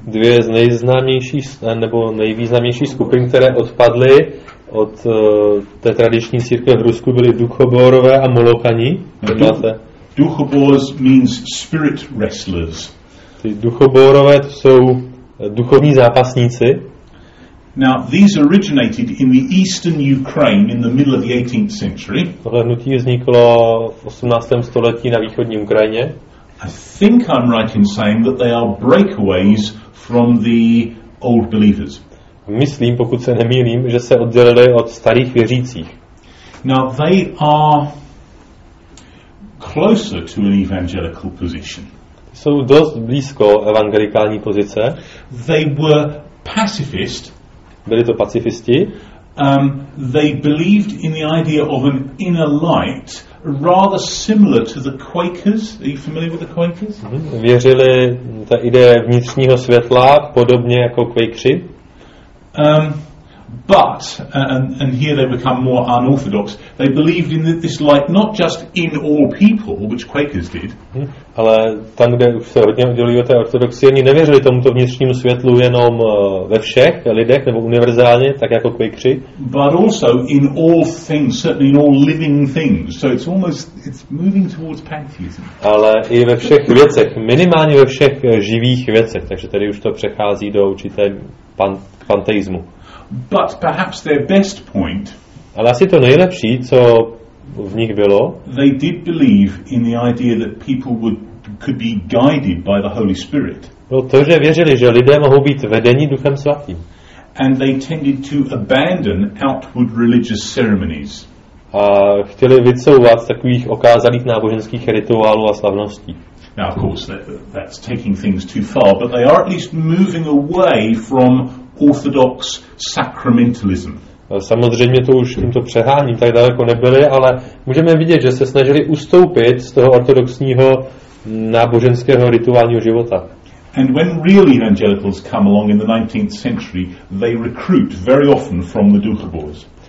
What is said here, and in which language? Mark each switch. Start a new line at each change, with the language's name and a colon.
Czech: Dvě z nejznámějších nebo nejvýznamnějších skupin, které odpadly od té tradiční církve v Rusku, byly Duchoborové a Molokani.
English: Duchobors means spirit wrestlers.
Czech: Ty Duchoborové to jsou duchovní zápasníci.
English: Now these originated in the eastern Ukraine in the middle of the 18th century.
Czech: Tohle hnutí vzniklo v 18. století na východní Ukrajině.
English: I think I'm right in saying that they are breakaways from the old believers.
Czech: Myslím, pokud se nemýlím, že se oddělili od starých věřících.
English: Now they are closer to an evangelical position.
Czech: Jsou dost blízko evangelikální pozice.
English: They were pacifist.
Czech: Byli to pacifisti.
English: They believed in the idea of an inner light, rather similar to the Quakers. Are you familiar with the Quakers? Mm-hmm.
Czech: Věřili ta ideje vnitřního světla, podobně jako Quakeri.
English: But here they become more unorthodox. They believed in this light not just in all people, which Quakers did. Mm-hmm.
Czech: Ale tam, kde už se hodně oddělují od té ortodoxie, oni nevěřili tomuto vnitřnímu světlu jenom ve všech lidech nebo univerzálně, tak jako Quakeri.
English: But also in all things, certainly in all living things. So it's moving towards pantheism.
Czech: Ale i ve všech věcech, minimálně ve všech živých věcech, takže tady už to přechází do určité panteismu.
English: But perhaps their best point.
Czech: Ale asi to nejlepší, co v nich bylo.
English: They did believe in the idea that people could be guided by the Holy Spirit.
Czech: Bylo to, že věřili, že lidé mohou být vedeni Duchem Svatým.
English: and they tended to abandon outward religious ceremonies.
Czech: A chtěli vycouvat z takových okázalých náboženských rituálů a slavností.
English: Now, of course, that's taking things too far, but they are at least moving away from orthodox sacramentalism.
Czech: Samozřejmě to už tímto přeháním tak daleko nebyli, ale můžeme vidět, že se snažili ustoupit z toho ortodoxního náboženského rituálního života.
English: And when real evangelicals come along in the 19th century, they recruit very often from the Duchoboys.